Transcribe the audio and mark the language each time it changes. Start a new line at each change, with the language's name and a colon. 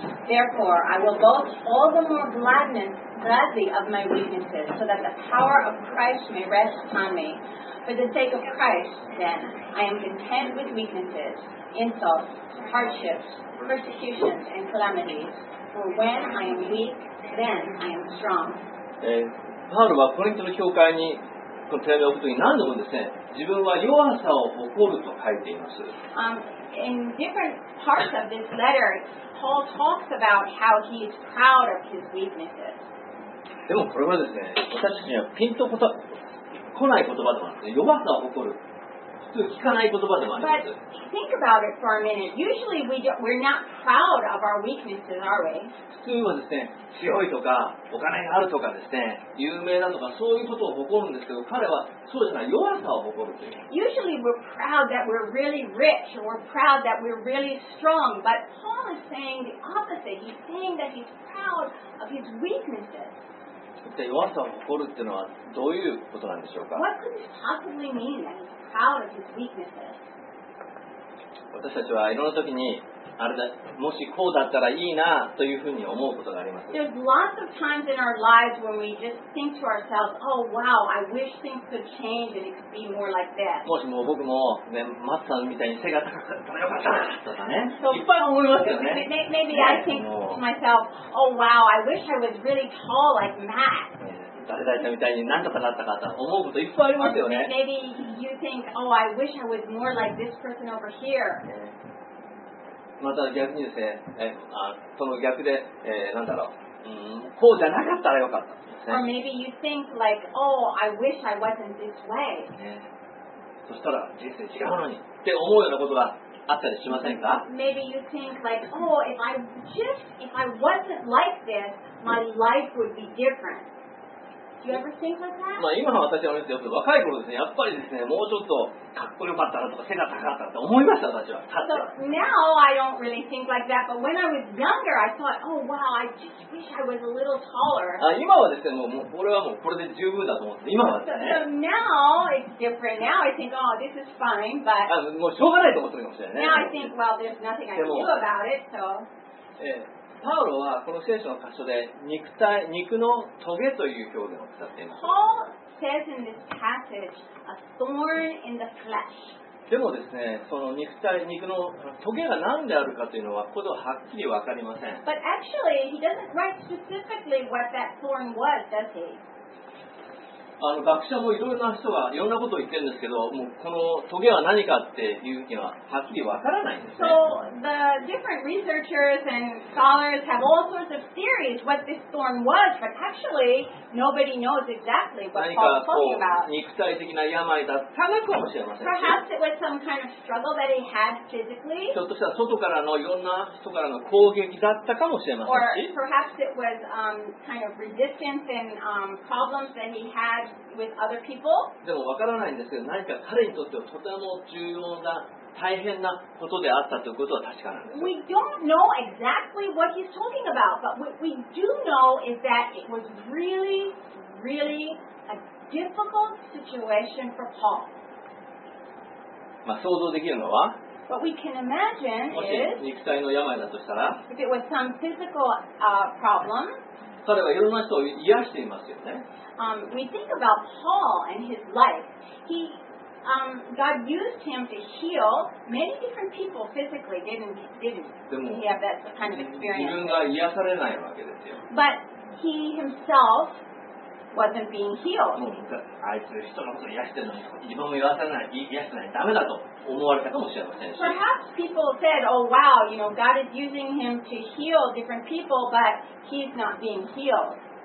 English: Therefore, I will boast all the more gladly of my weaknesses, so that the power of Christ may rest upon me. For the sake of Christ, then, I am content with weaknesses, insults, hardships, persecutions, and calamities. For when I am weak, then I am strong.
Japanese: パウルはコリントの教会にこの手紙を送るときに何度もですね、自分は弱さを誇ると書いています。
English: In different parts of this letter, Paul talks about how he is proud of his weaknesses.
Japanese: でもこれはですね、私たちにはピンと来ない言葉でもあるんですね。弱さを誇る。普通聞かない言葉でもあります。
English: But think about it for a minute. Usually we're not proud of our weaknesses, are we?
Japanese: 普通はですね、強いとか、お金があるとかですね、有名だとか、そういうことを誇るんですけど、彼はそうじゃない、弱さを誇るという。
English: Usually we're proud that we're really rich, or we're proud that we're really strong, but Paul is saying the opposite. He's saying that he's proud of his weaknesses.
Japanese: で弱さを誇るっていうのはどういうことなんでしょうか。
English: What could it possibly mean that he's proud of his weaknesses?
Japanese: 私たちはいろんな時にあれだ、もしこうだったらいいなというふうに思うことがあります。
English: There's lots of times in our lives when we just think to ourselves, oh wow, I wish things could change and it could be more like this.
Japanese: もしも僕も、ね、マッサンみたいに背が高かったらよかったとかね、so, いっぱい思いますよね。
English: Maybe I think to myself, oh wow, I wish I was really tall like Matt.
Japanese: 誰々みたいに何とかなったかと思うこといっぱいありますよね。
English: Maybe you think, oh, I wish I was more like this person over here.
Japanese: また逆にですね、その逆で、なんだろう、こうじゃなかったらよかったですね。
English: Or maybe you think like, oh, I wish I wasn't this way.
Japanese: そしたら人生違うのにって思うようなことがあったりしませんか?
English: Maybe you think like, oh, if I wasn't like this, my life would be different. Do you ever think like that?
Japanese: まあ今の私はですよ、若い頃ですね、やっぱりですね、もうちょっとかっこよかったなとか背が高かったなと思いました私は。
English: So now I don't really think like that, but when I was younger, I thought, oh wow, I just wish I was a little taller.
Japanese: あ今はですね、もうこれはもうこれで十分だと思って、今はですね。
English: So now it's different. Now I think, oh, this is fine, but
Japanese: あもうしょうがないと思ってましたよね。
English: Now I think, well, there's nothing I can do about it, so.
Japanese: パウロはこの聖書の箇所で肉体、肉のトゲという表現を使っています。
English: Paul says in this passage, a thorn in the flesh.
Japanese: でもですね、その肉体、肉のトゲが何であるかというのは、ここでははっきり分かりません。
English: But actually, he doesn't write specifically what that thorn was, does he?
Japanese: 学者もいろいろな人がいろんなことを言ってるんですけど、もうこのトゲは何かっていうのははっきりわからないんですね。
English: So the different researchers and scholars have all sorts of theories what this thorn was, but actually nobody knows exactly what Paul's talking about.
Japanese: 何かこう肉体的な病だったのかもしれません。
English: Perhaps it was some kind of struggle that he had physically.
Japanese: ちょっとしたら外からのいろんな人からの攻撃だったかもしれませんし。
English: Or perhaps it was kind of resistance and problems that he had. With other people?
Japanese: でもわからないんですけど、何か彼にとってはとても重要な大変なことであったということは確かなんです。
English: We don't know exactly what he's talking about, but what we do know is that it was really, really a difficult situation for Paul.
Japanese: まあ想像できるのは、
English: what we can imagine is,
Japanese: もし肉体の病だとしたら、
English: if it was some physical problem.
Japanese: 彼はいろんな人を癒していますよね。
English: We think about Paul and his life. He, God used him to heal many different people physically. Didn't he have that kind of experience?
Japanese: 自分が癒されないわけですよ。
English: But he himself wasn't being healed.
Japanese: あいつ人のこと癒してるのに、自分も癒せない、ダメだと思われたかもしれませんし。
English: Perhaps people said, oh wow, you know, God is using him to heal different people, but he's not being healed.